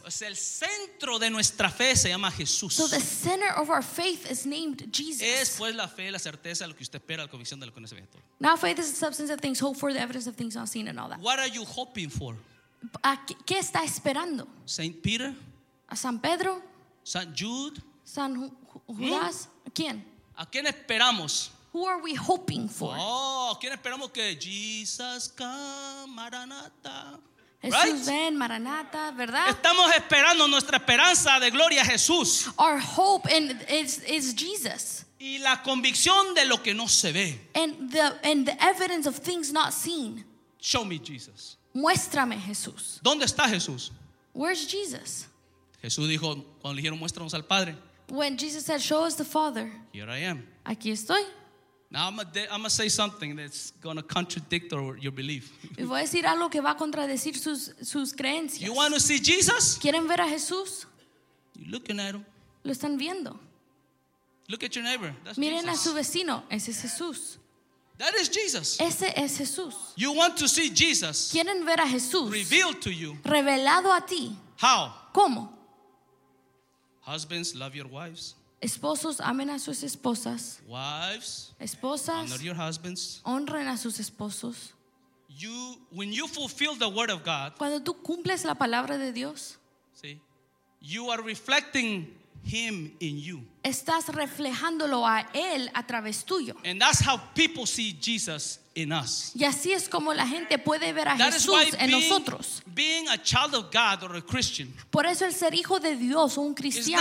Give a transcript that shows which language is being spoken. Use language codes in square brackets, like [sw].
[es] Pues el centro de nuestra fe se llama Jesús. [en] So the center of our faith is named Jesus. [es] Es pues la fe, la certeza, lo que usted espera, la convicción de lo que no se ve. [en] Now faith is the substance of things hoped for, the evidence of things not seen and all that. What are you hoping for? [es] ¿Qué está esperando? [en] Saint Peter. [es] A San Pedro. [en] Saint Jude. [es] San Judas. ¿Quién? ¿A quién esperamos? [en] Who are we hoping for? [es] Oh, ¿a quién esperamos que [en] Jesus come, [es] Maranatha? Jesús [en] right? [es] ven, Maranatha, ¿verdad? Estamos esperando nuestra esperanza de gloria a Jesús. [en] Our hope and is Jesus. [es] Y la convicción de lo que no se ve. [en] And the evidence of things not seen. Show me Jesus. [es] Muéstrame Jesús. ¿Dónde está Jesús? [en] Where's Jesus? [es] Jesús dijo cuando le dijeron muéstranos al Padre. [en] When Jesus said, "Show us the Father," here I am. [es] Aquí estoy. [en] Now I'm gonna say something that's gonna contradict your belief. [es] Voy a decir algo que va a contradecir sus creencias. [en] You want to see Jesus? [es] Quieren ver a Jesús? [en] You're looking at him. [es] Lo están viendo. [en] Look at your neighbor. That's [es] Miren [en] Jesus. [es] A su vecino. Ese es Jesús. [en] That is Jesus. [es] Ese es Jesús. [en] You want to see Jesus? [es] Quieren ver a Jesús? [en] Revealed to you. [es] Revelado a ti. [en] How? [es] ¿Cómo? [en] Husbands, love your wives. [es] Esposos, amen a sus esposas. [en] Wives, [es] esposas, [en] honor your husbands. [es] Honren a sus esposos. [en] You, when you fulfill the word of God, [es] cuando tú cumples la palabra de Dios, see, you are reflecting him in you. Estás reflejándolo a él a través tuyo. [en] And that's how people see Jesus in us. [es] Y así es como la gente puede ver a [en] that [es] Jesús [en] is why [es] en nosotros. [en] Being a child of God or a Christian. [es] Por eso el ser hijo de Dios o un cristiano.